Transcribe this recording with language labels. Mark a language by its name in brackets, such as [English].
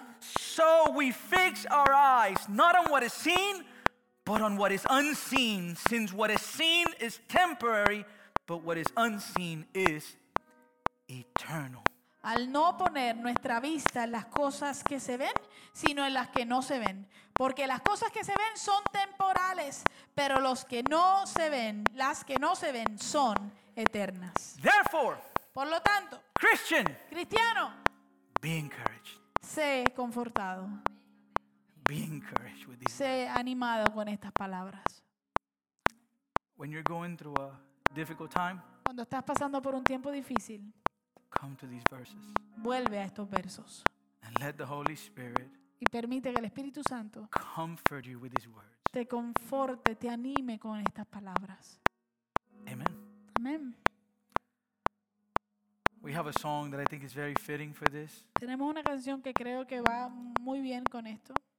[English] So we fix our eyes not on what is seen, but on what is unseen, since what is seen is temporary, but what is unseen is eternal. [Spanish] Al no poner nuestra vista en las cosas que se ven, sino en las que no se ven. Porque las cosas que se ven son temporales, pero las que no se ven son eternas. [English] Therefore, [Spanish] por lo tanto, [English] Christian, [Spanish] cristiano, [English] be encouraged. [Spanish] Sé confortado. [English] Be encouraged with these. [Spanish] Sé animado con estas palabras. [English] When you're going through a difficult time, [Spanish] cuando estás pasando por un tiempo difícil, [English] come to these verses. [Spanish] Vuelve a estos versos. [English] And let the Holy Spirit [Spanish] y permite que el Espíritu Santo [English] comfort you with these words. [Spanish] Te conforte, te anime con estas palabras. [English] Amen. [Spanish] Amen. [English] We have a song that I think is very fitting for this. [Spanish] Tenemos una canción que creo que va muy bien con esto.